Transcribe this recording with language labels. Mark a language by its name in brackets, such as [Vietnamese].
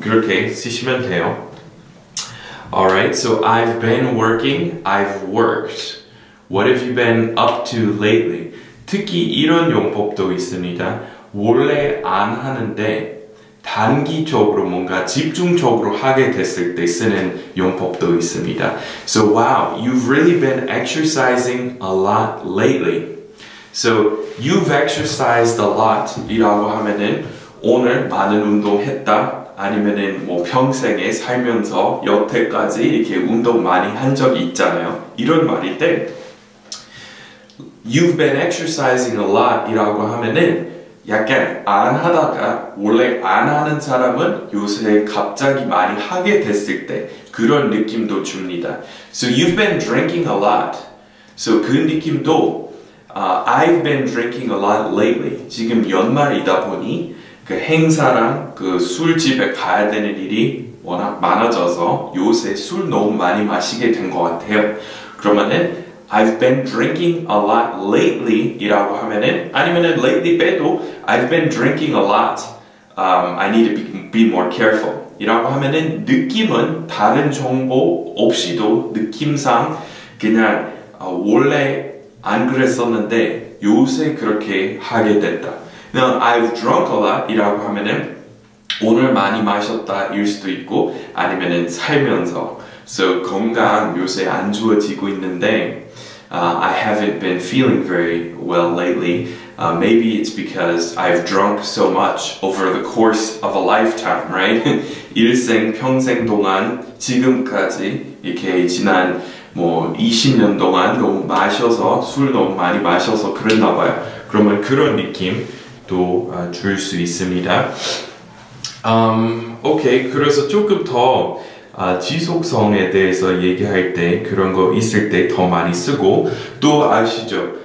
[Korean] 그렇게 쓰시면 돼요. [English] Alright, so I've been working, I've worked. What have you been up to lately? [Korean] 특히 이런 용법도 있습니다. 원래 안 하는데 단기적으로 뭔가 집중적으로 하게 됐을 때 쓰는 용법도 있습니다. [English] So wow, you've really been exercising a lot lately. So you've exercised a lot [Korean] 이라고 하면은 오늘 많은 운동했다. 아니면은 뭐 평생에 살면서 여태까지 이렇게 운동 많이 한 적이 있잖아요. 이런 말일 때 [English] You've been exercising a lot [Korean] 이라고 하면은 약간 안 하다가 원래 안 하는 사람은 요새 갑자기 많이 하게 됐을 때 그런 느낌도 줍니다. [English] So you've been drinking a lot. So [Korean] 그 느낌도 [English] I've been drinking a lot lately. [Korean] 지금 연말이다 보니 그 행사랑 그 술집에 가야 되는 일이 워낙 많아져서 요새 술 너무 많이 마시게 된 것 같아요. 그러면은 [English] I've been drinking a lot lately [Korean] 이라고 하면은 아니면은 [English] lately [Korean] 빼도 [English] I've been drinking a lot. I need to be more careful [Korean] 이라고 하면은 느낌은 다른 정보 없이도 느낌상 그냥 원래 안 그랬었는데 요새 그렇게 하게 됐다. [English] Now, I've drunk a lot [Korean] 이라고 하면은 오늘 많이 마셨다 일 수도 있고 아니면은 살면서 so 건강 요새 안 좋아지고 있는데 [English] I haven't been feeling very well lately. Maybe it's because I've drunk so much over the course of a lifetime, right? [Korean] 일생 평생 동안 지금까지 이렇게 지난 뭐 20년 동안 너무 마셔서 술 너무 많이 마셔서 그랬나 봐요. 그러면 그런 느낌 또 줄 수 있습니다. 오케이, 그래서 조금 더 지속성에 대해서 얘기할 때 그런 거 있을 때 더 많이 쓰고 또 아시죠?